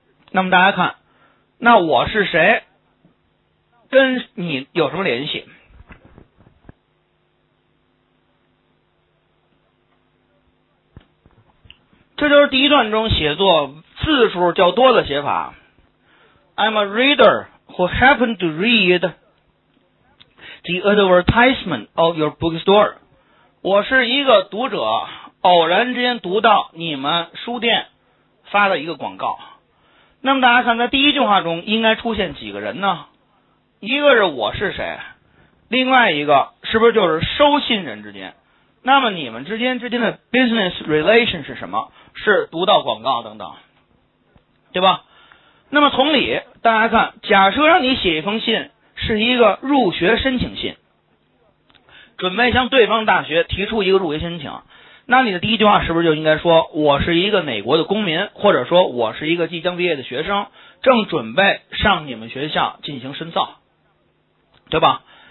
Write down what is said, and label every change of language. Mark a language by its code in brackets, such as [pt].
[zh] 那么大家看，那我是谁跟你有什么联系？这就是第一段中写作字数较多的写法。 [en] I'm a reader who happened to read the advertisement of your bookstore， [zh] 我是一个读者，偶然之间读到你们书店发的一个广告。那么大家看，在第一句话中应该出现几个人呢？一个是我是谁，另外一个是不是就是收信人之间？那么你们之间的 [en] business relation [zh] 是什么？是读到广告等等，对吧？那么同理，大家看，假设让你写一封信是一个入学申请信，准备向对方大学提出一个入学申请，那你的第一句话是不是就应该说，我是一个美国的公民，或者说我是一个即将毕业的学生，正准备上你们学校进行深造，对吧？